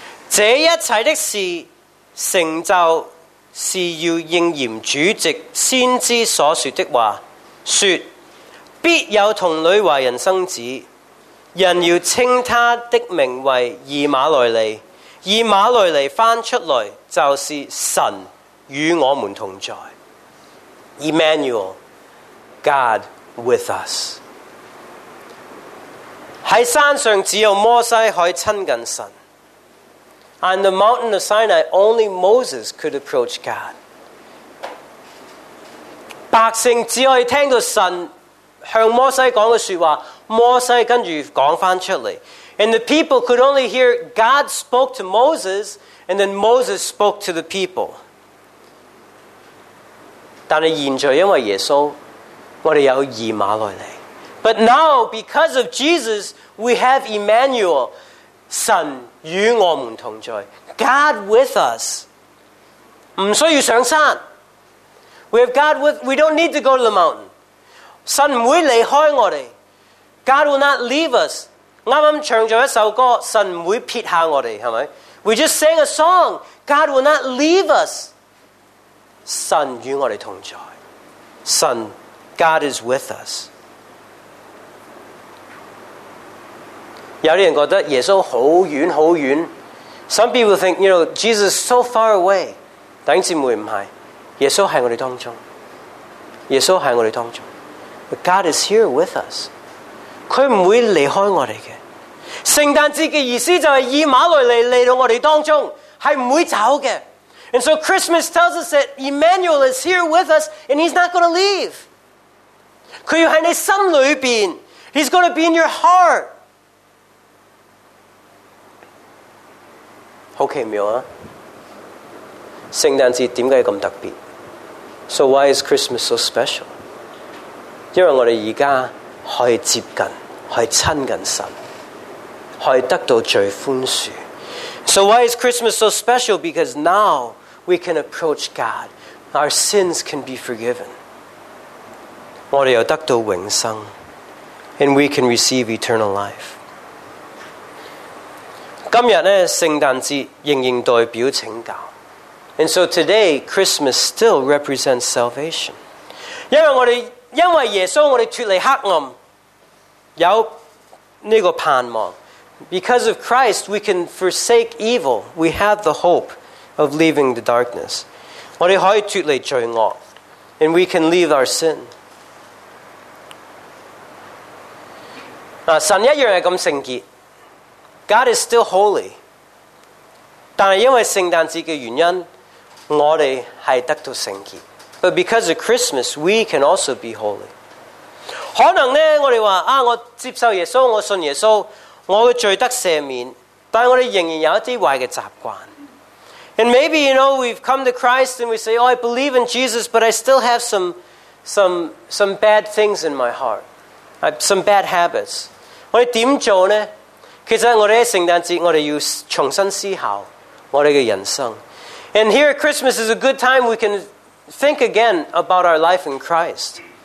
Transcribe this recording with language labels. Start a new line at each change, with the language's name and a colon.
Chinese: 这一切的事成就是要应验主席先知所说的话，说必有童女怀人生子，人要称他的名为以马内利。以马内利翻出来就是神与我们同在。
English: Emmanuel, God with us.
Chinese: 在山上只有摩西可以亲近神。
English: On the mountain of Sinai, only Moses could approach God.
Chinese: 百姓只可以听到神向摩西讲的说话，摩西跟住讲翻出来。
English: And the people could only hear God spoke to Moses, and then Moses spoke to the people.
Chinese: 但是现在因为耶稣，我们有以马内利。
English: But now, because of Jesus, we have Emmanuel,
Chinese: 神与我们同在。
English: God with us.
Chinese: 不需要上山。
English: We have God with, we don't need to go to the mountain.
Chinese: 神不会离开我们。
English: God will not leave us.
Chinese: 刚刚唱了一首歌，神不会撇下我们，是不是？
English: We just sang a song. God will not leave us.
Chinese: 神与我们同在。
English: 神， God is with us.
Chinese: 有些人觉得耶稣很远很远。
English: Some people think, you know, Jesus is so far away.
Chinese: 弟兄姊妹，不是。耶稣在我们当中。耶稣在我们当中。
English: But God is here with us.
Chinese: 祂不会离开我们的。圣诞节的意思就是以马内利来到我们当中，是不会走的。
English: And so Christmas tells us that Emmanuel is here with us and he's not going to leave.
Chinese: 祂要在你心里面。
English: He's going to be in your heart.
Chinese: 好奇妙啊！圣诞节点解咁特别 ？
English: So why is Christmas so special？
Chinese: 因为我哋而家可以接近，可以亲近神，可以得到最宽恕。
English: So why is Christmas so special？ Because now we can approach God， our sins can be forgiven。
Chinese: 我哋又得到永生
English: ，and we can receive eternal life。
Chinese: 今日咧，圣诞节仍然代表拯救
English: ，and so today Christmas still represents salvation。
Chinese: 因为耶稣，我哋脱离黑暗，有呢个盼望。
English: Because of Christ, we can forsake evil. We have the hope of leaving the darkness.
Chinese: 我哋可以脱离罪恶
English: ，and we can leave our sin。
Chinese: 神一样系咁圣洁。
English: God is still holy，
Chinese: 但系因为圣诞节嘅原因，我哋系得到圣洁。
English: But because of Christmas, we can also be holy。
Chinese: 可能咧，我哋话啊，我接受耶稣，我信耶稣，我嘅罪得赦免，但系我哋仍然有一啲坏嘅习惯。
English: And maybe you know we've come to Christ and we say, "Oh, I believe in Jesus, but I still have some bad things in my heart, some bad habits."
Chinese: 我哋点做呢？其实我哋喺圣诞节，我哋要重新思考我哋嘅人生。
English: And here at Christmas is a good time we can think again about our life in Christ。